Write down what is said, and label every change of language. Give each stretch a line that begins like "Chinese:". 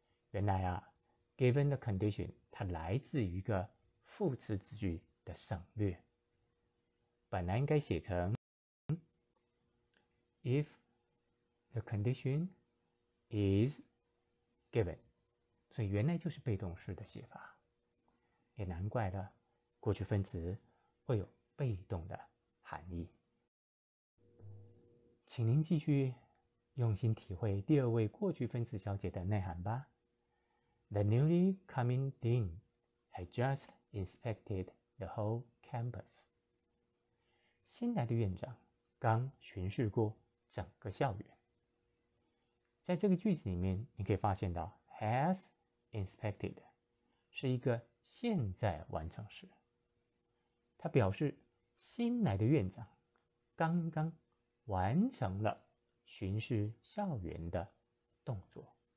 Chinese: 原来啊 ，
English: given the condition
Chinese: 它来自于一个副词子句的省略，本来应该写成
English: if the condition is given，
Chinese: 所以原来就是被动式的写法。也难怪了，过去分词会有被动的含义。请您继续用心体会第二位过去分词小姐的内涵吧。
English: The newly coming dean had just inspected the whole campus.
Chinese: 新来的院长刚巡视过整个校园。在这个句子里面，你可以发现到
English: has inspected
Chinese: 是一个现在完成时，它表示新来的院长刚刚完成了巡视校园的动作。